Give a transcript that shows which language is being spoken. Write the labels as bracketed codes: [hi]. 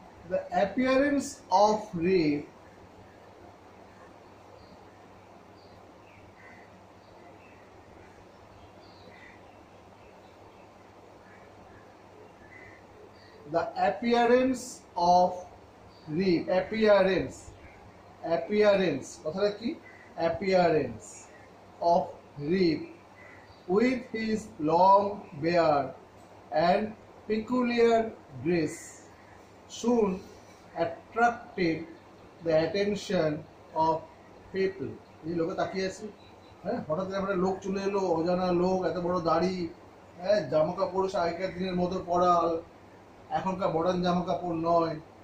[en] The appearance of rape The appearance of rape. Appearance. Appearance. কথাটা কি? Appearance of rape with his long beard and peculiar dress soon attracted the attention of people. [bn] এই লোকে তাকিয়ে আছে, হ্যাঁ, হঠাৎ করে আমরা লোক চলে এলো, অজানা লোক, এত বড় দাড়ি, হ্যাঁ, জামা কাপড় আগেকার দিনের মতো পরা, এখনকার মডার্ন জামা কাপড় নয়।